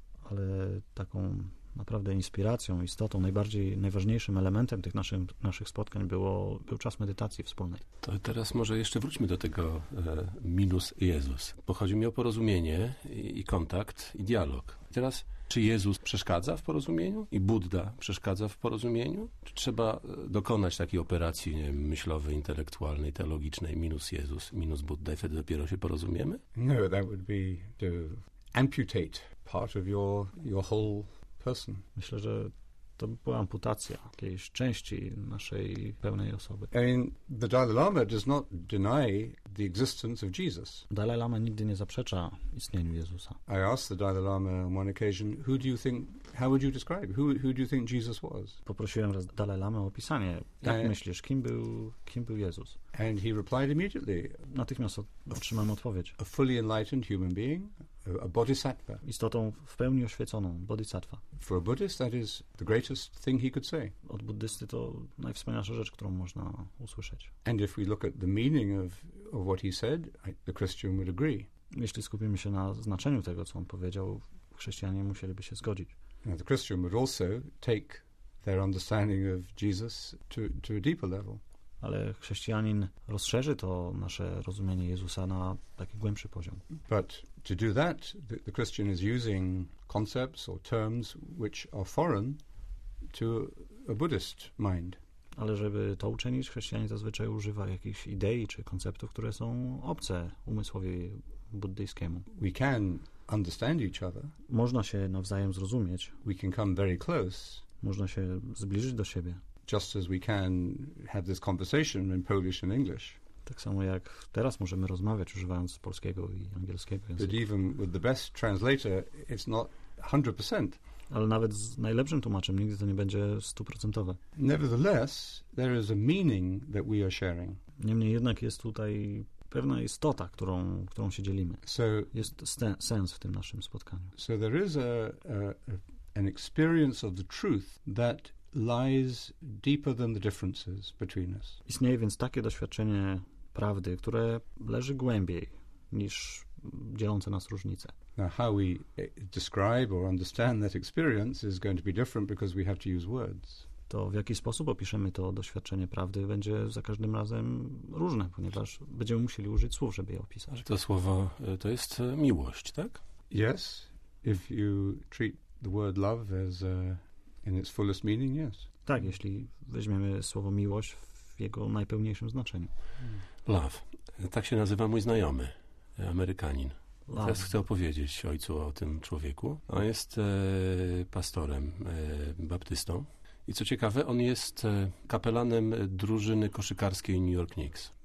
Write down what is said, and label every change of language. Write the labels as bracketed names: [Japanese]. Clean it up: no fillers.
[Polish] Ale taką naprawdę inspiracją, istotą, najbardziej, najważniejszym elementem tych naszych spotkań był czas medytacji wspólnej. To teraz może jeszcze wróćmy do tego minus Jezus, bo chodzi mi o porozumienie i kontakt i dialog. I teraz, czy Jezus przeszkadza w porozumieniu i Budda przeszkadza w porozumieniu? Czy trzeba dokonać takiej operacji, nie wiem, myślowej, intelektualnej, teologicznej, minus Jezus, minus Budda, i wtedy dopiero się porozumiemy? [English] No, that would be to amputate part of your whole person. [Polish] Myślę, że to by była amputacja jakiejś części naszej pełnej osoby. [English] I mean, the Dalai Lama does not deny the existence of Jesus. [Polish] Dalai Lama nigdy nie zaprzecza istnieniu Jezusa. [English] I asked the Dalai Lama on one occasion, who do you think, how would you describe, who do you think Jesus was? [Polish] Poprosiłem raz Dalai Lamę o opisanie, jak myślisz, kim był Jezus? [English] And he replied immediately. [Polish] Natychmiast otrzymałem odpowiedź. [English] A fully enlightened human being. A bodhisattva. [Polish] Istotą w pełni oświeconą, bodhisattva. [English] For a Buddhist, that is the greatest thing he could say. [Polish] Od buddysty to najwspanialsza rzecz, którą można usłyszeć. [English] And if we look at the meaning of what he said, the Christian would agree. [Polish] Jeśli skupimy się na znaczeniu tego, co on powiedział, chrześcijanie musieliby się zgodzić. [English] Now the Christian would also take their understanding of Jesus to a deeper level. [Polish] Ale chrześcijanin rozszerzy to nasze rozumienie Jezusa na taki głębszy poziom. [English] But to do that, the Christian is using concepts or terms which are foreign to a Buddhist mind. [Polish] Ale żeby to uczynić, chrześcijanin zazwyczaj używa jakichś idei czy konceptów, które są obce umysłowi buddyjskiemu. [English] We can understand each other. [Polish] Można się nawzajem zrozumieć. [English] We can come very close. [Polish] Można się zbliżyć do siebie. [English] Just as we can have this conversation in Polish and English. [Polish] Tak samo jak teraz możemy rozmawiać używając polskiego i angielskiego języka. [English] But even with the best translator, it's not 100%. [Polish] Ale nawet z najlepszym tłumaczem nigdy to nie będzie 100%. [English] Nevertheless, there is a meaning that we are sharing. [Polish] Niemniej jednak jest tutaj pewna istota, którą się dzielimy. [English] So [Polish] jest sens w tym naszym spotkaniu. [English] So there is an experience of the truth that lies deeper than the differences between us. [Polish] Istnieje więc takie doświadczenie prawdy, które leży głębiej niż dzielące nas różnice. [English] Now how we describe or understand that experience is going to be different because we have to use words. [Polish] To w jaki sposób opiszemy to doświadczenie prawdy będzie za każdym razem różne, ponieważ będziemy musieli użyć słów, żeby je opisać. To słowo to jest miłość, tak? [English] Yes, if you treat the word love as a in its fullest meaning, yes. [Polish] Tak, jeśli weźmiemy słowo miłość w jego najpełniejszym znaczeniu. [English] Love. [Polish] Tak się nazywa mój znajomy, Amerykanin. [English] Love. [Polish] Teraz chcę opowiedzieć ojcu o tym człowieku. On jest pastorem, baptystą. I co ciekawe, on jest kapelanem drużyny koszykarskiej New York Knicks.